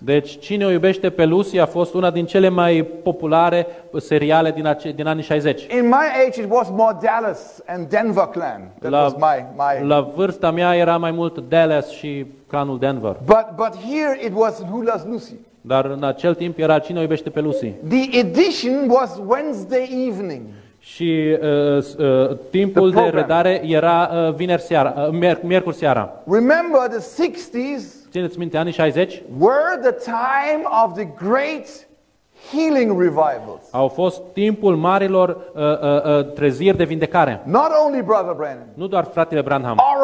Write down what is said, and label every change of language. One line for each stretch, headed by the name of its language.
Romanian: Deci cine o iubește pe Lucy a fost una din cele mai populare seriale din anii 60.
English: In my age it was more Dallas and Denver Clan.
Romanian: La vârsta mea era mai mult Dallas și clanul Denver.
English: But here it was Who Loves Lucy.
Romanian: Dar în acel timp era cine o iubește pe Lucy.
English: The edition was Wednesday evening.
Romanian: Și timpul de redare era vineri seara, miercuri seara.
English: Remember the 60s?
Romanian: Țineți minte anii 60?
English: Were the time of the great healing revivals.
Romanian: Au fost timpul marilor treziri de vindecare.
English: Not only Brother Branham.
Romanian: Nu doar fratele Branham.